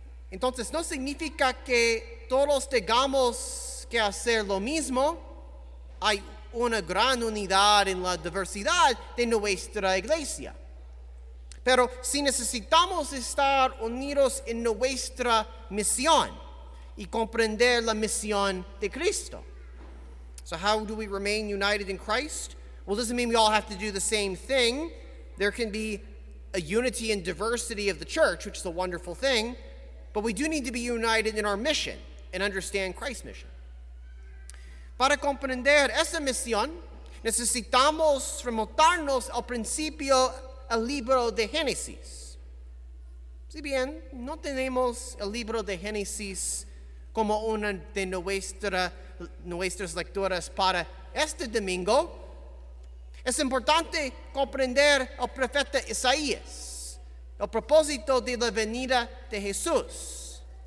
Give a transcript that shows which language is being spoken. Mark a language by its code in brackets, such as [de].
[es] Entonces, no significa que todos tengamos que hacer lo mismo. Hay una gran unidad en la diversidad de nuestra iglesia. Pero si necesitamos estar unidos en nuestra misión y comprender la misión de Cristo. [en] So how do we remain united in Christ? Well, it doesn't mean we all have to do the same thing. There can be a unity and diversity of the church, which is a wonderful thing. But we do need to be united in our mission and understand Christ's mission. [es] Para comprender esa misión, necesitamos remontarnos al principio al libro de Génesis. Si bien no tenemos el libro de Génesis como una de nuestras lecturas para este domingo, es importante comprender al profeta Isaías, el propósito de la venida de Jesús.